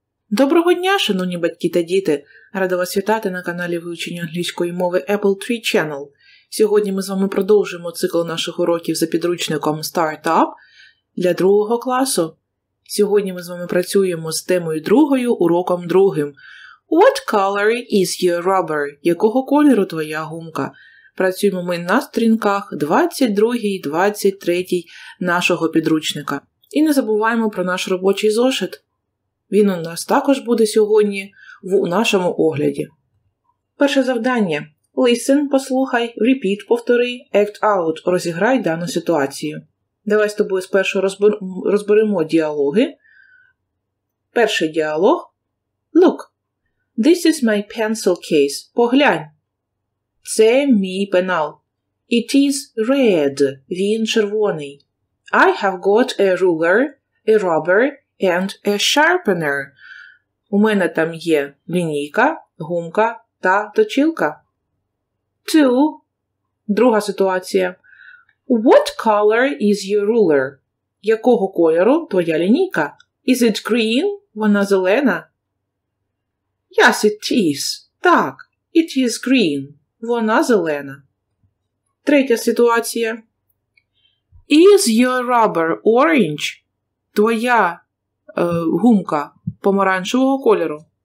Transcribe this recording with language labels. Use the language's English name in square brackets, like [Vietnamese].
[Ukrainian] Доброго дня, шановні батьки та діти! Рада вас вітати на каналі вивчення англійської мови Apple Tree Channel. Сьогодні ми з вами продовжуємо цикл наших уроків за підручником Startup для другого класу. Сьогодні ми з вами працюємо з темою другою, уроком другим. [English] What color is your rubber? [Ukrainian] Якого кольору твоя гумка? Працюємо ми на сторінках 22 і 23 нашого підручника. І не забуваємо про наш робочий зошит. Він у нас також буде сьогодні в нашому огляді. Перше завдання. [English] Listen [Ukrainian] – послухай, [English] repeat [Ukrainian] – повтори, [English] act out [Ukrainian] – розіграй дану ситуацію. Давай з тобою спершу розберемо діалоги. Перший діалог. [English] Look. This is my pencil case. [Ukrainian] Поглянь. Це мій пенал. [English] It is red. [Ukrainian] Він червоний. [English] I have got a ruler, a rubber and a sharpener. [Ukrainian] У мене там є лінійка, гумка та точилка. Two. Друга ситуація. [English] What color is your ruler? [Ukrainian] Якого кольору твоя лінійка? [English] Is it green? [Ukrainian] Вона зелена? [English] Yes, it is. Так, it is green. [Ukrainian] Вона зелена. Третя ситуація. [English] Is your rubber orange? [Ukrainian] Твоя гумка помаранчевого кольору?